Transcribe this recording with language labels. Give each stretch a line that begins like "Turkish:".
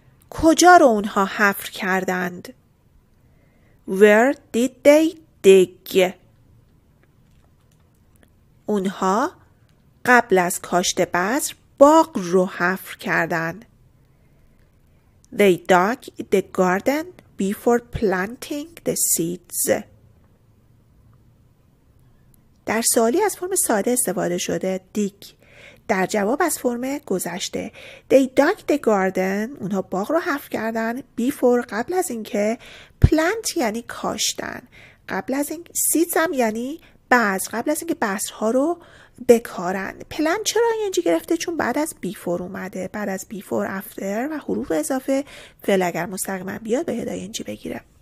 Persian: کجا رو اونها حفر کردند؟
English: Where did they dig?
Persian: اونها قبل از کاشت بذر باغ رو حفر کردند.
English: They dug the garden before planting the seeds.
Persian: در سوالی از فرم ساده استفاده شده dig. در جواب از فرم گذشته
English: They dug the garden
Persian: اونها باغ رو حفر کردن before قبل از اینکه plant یعنی کاشتن قبل از این seeds هم یعنی بذر قبل از اینکه بذرها رو بکارن plant چرا اینجا گرفته؟ چون بعد از before اومده بعد از before after و حروف اضافه فعل اگر مستقیما بیاد به هدای اینجا بگیره